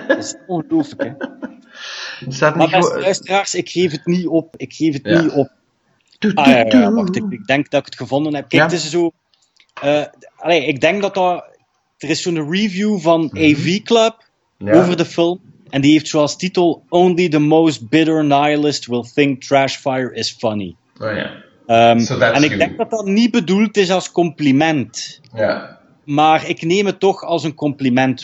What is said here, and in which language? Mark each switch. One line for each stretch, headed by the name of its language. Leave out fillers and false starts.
Dutch: Dat is ongelooflijk, hè. Luisteraars, ik geef het niet op. Ik geef het niet op. Ik denk dat ik het gevonden heb. Kijk, het is zo... ik denk dat dat... Er is zo'n review van AV Club over de film. En die heeft zoals titel...
English: Only the most bitter nihilist will think trash fire is funny.
Dutch: Oh ja. Ik denk dat dat niet bedoeld is als compliment. Ja. Yeah. Maar ik neem het toch als een compliment.